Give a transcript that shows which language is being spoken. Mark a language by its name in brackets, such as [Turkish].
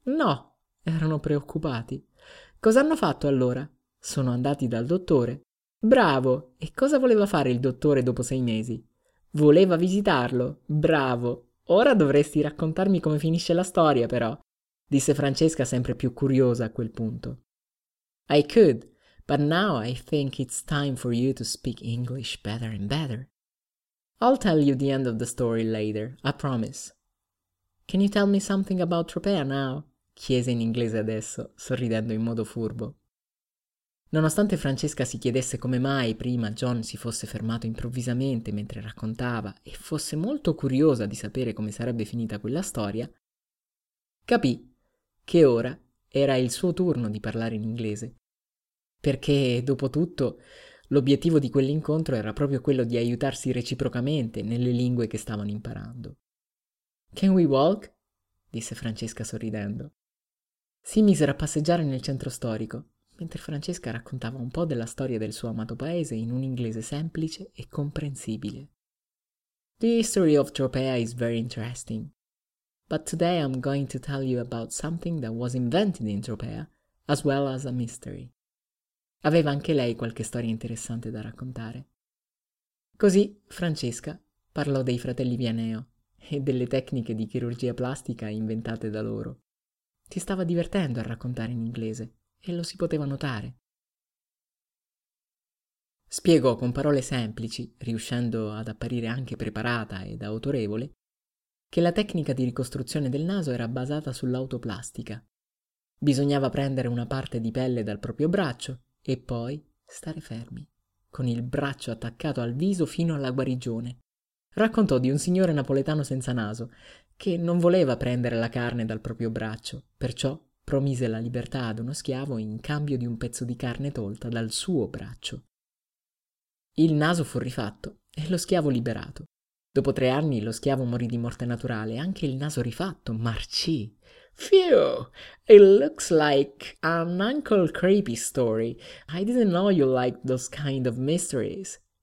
[Italian] No, erano preoccupati. Cosa hanno fatto allora? Sono andati dal dottore. Bravo! E cosa voleva fare il dottore dopo 6 mesi? Voleva visitarlo. Bravo! Ora dovresti raccontarmi come finisce la storia, però, disse Francesca, sempre più curiosa a quel punto. [English] I could, but now I think it's time for you to speak English better and better. I'll tell you the end of the story later, I promise. Can you tell me something about Tropea now? [Italian] Chiese in inglese adesso, sorridendo in modo furbo. Nonostante Francesca si chiedesse come mai prima John si fosse fermato improvvisamente mentre raccontava e fosse molto curiosa di sapere come sarebbe finita quella storia, capì che ora era il suo turno di parlare in inglese. Perché, dopo tutto, l'obiettivo di quell'incontro era proprio quello di aiutarsi reciprocamente nelle lingue che stavano imparando. [English] Can we walk? [Italian] Disse Francesca sorridendo. Si misero a passeggiare nel centro storico, mentre Francesca raccontava un po' della storia del suo amato paese in un inglese semplice e comprensibile. [English] The history of Tropea is very interesting. But today I'm going to tell you about something that was invented in Tropea, as well as a mystery. [Italian] Aveva anche lei qualche storia interessante da raccontare. Così Francesca parlò dei fratelli Vianeo e delle tecniche di chirurgia plastica inventate da loro. Si stava divertendo a raccontare in inglese e lo si poteva notare. Spiegò con parole semplici, riuscendo ad apparire anche preparata ed autorevole, che la tecnica di ricostruzione del naso era basata sull'autoplastica. Bisognava prendere una parte di pelle dal proprio braccio e poi stare fermi, con il braccio attaccato al viso fino alla guarigione. Raccontò di un signore napoletano senza naso che non voleva prendere la carne dal proprio braccio, perciò promise la libertà ad uno schiavo in cambio di un pezzo di carne tolta dal suo braccio. Il naso fu rifatto e lo schiavo liberato. Dopo 3 anni lo schiavo morì di morte naturale e anche il naso rifatto marcì. [English] Phew! It looks like an uncle creepy story. I didn't know you liked those kind of mysteries.